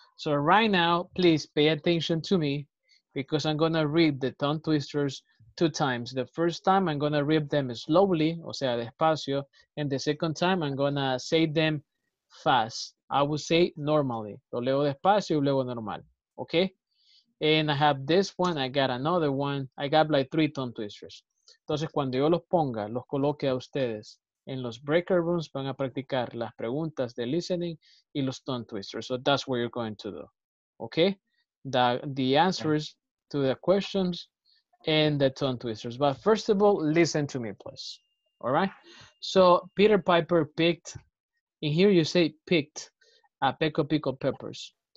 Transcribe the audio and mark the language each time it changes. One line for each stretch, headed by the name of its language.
English: So right now, please pay attention to me because I'm gonna read the tongue twisters two times. The first time I'm gonna read them slowly,
Spanish: o sea, despacio.
English: And the second time I'm gonna say them fast. I will say normally.
Spanish: Lo leo despacio y luego normal, okay?
English: And I have this one, I got another one. I got like three tongue twisters.
Spanish: Entonces, cuando yo los ponga, los coloque a ustedes en los breaker rooms, van a practicar las preguntas de listening y los tongue twisters.
English: So that's what you're going to do, okay? The answers to the questions and the tongue twisters. But first of all, listen to me, please, all right? So Peter Piper picked, in here you say picked, a peck of pickled peppers.